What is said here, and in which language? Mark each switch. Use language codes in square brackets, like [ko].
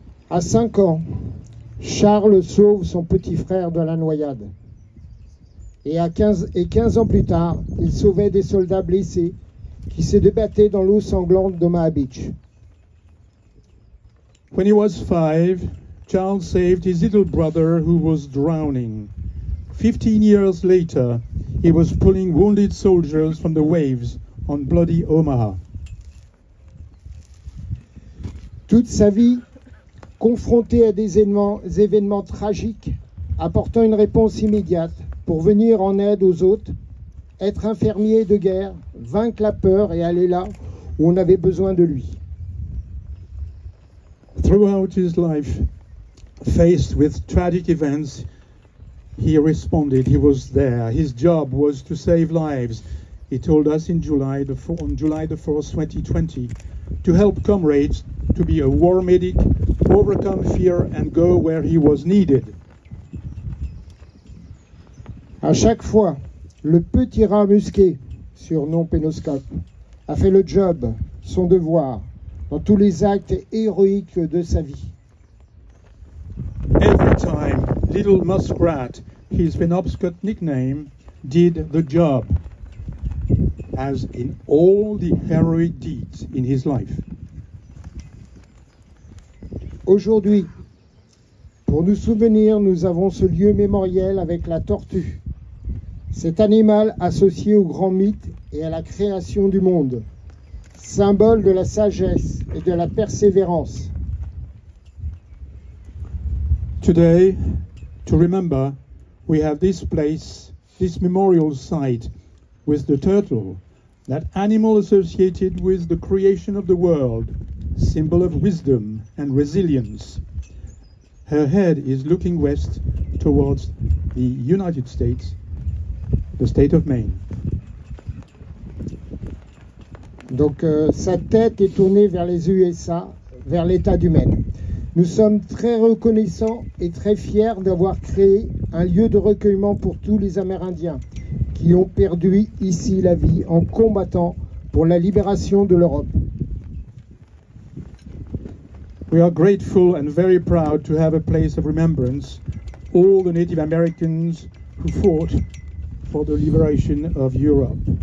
[fr] À 5 ans, Charles sauve son petit frère de la noyade. Et à 15 ans plus tard, il sauvait des soldats blessés qui se débattaient dans l'eau sanglante d'Omaha Beach. [en] When he was 5, Charles saved his little brother who was drowning. 15 years later, he was pulling wounded soldiers from the waves on bloody Omaha. [fr] Toute sa vie, confronté à des événements tragiques, apportant une réponse immédiate pour venir en aide aux autres, être infirmier de guerre, vaincre la peur et aller là où on avait besoin de lui. [en] Throughout his life, faced with tragic events, he responded, he was there. His job was to save lives. He told us in July 4th, 2020, to help comrades, to be a war medic, overcome fear and go where he was needed. [fr] À chaque fois, le petit rat musqué, surnom Pénoscope, a fait le job, son devoir, dans tous les actes héroïques de sa vie. [en] Every time, little muskrat, his Penobscot nickname, did the job, as in all the heroic deeds in his life. [fr] Aujourd'hui, pour nous souvenir, nous avons ce lieu mémoriel avec la tortue, cet animal associé au grand mythe et à la création du monde, symbole de la sagesse et de la persévérance. [en] Today, to remember, we have this place, this memorial site, with the turtle, that animal associated with the creation of the world, symbol of wisdom and resilience. Her head is looking west towards the United States, the state of Maine. [fr] Donc, sa tête est tournée vers les USA, vers l'état du Maine. Nous sommes très reconnaissants et très fiers d'avoir créé un lieu de recueillement pour tous les Amérindiens qui ont perdu ici la vie en combattant pour la libération de l'Europe. [en] We are grateful and very proud to have a place of remembrance all the Native Americans who fought for the liberation of Europe.